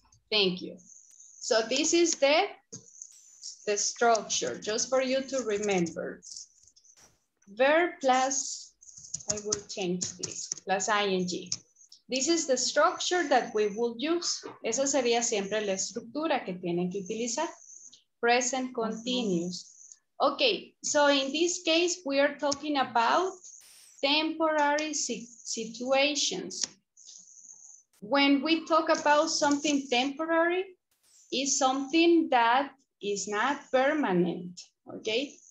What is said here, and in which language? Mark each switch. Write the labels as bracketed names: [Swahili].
[English] Thank you. So this is the structure, just for you to remember. Verb plus, I will change this, plus ing. This is the structure that we will use. [Spanish] Esa sería siempre la estructura que tienen que utilizar. [English] Present continuous. Okay, so in this case, we are talking about temporary situations. When we talk about something temporary, is something that is not permanent, okay?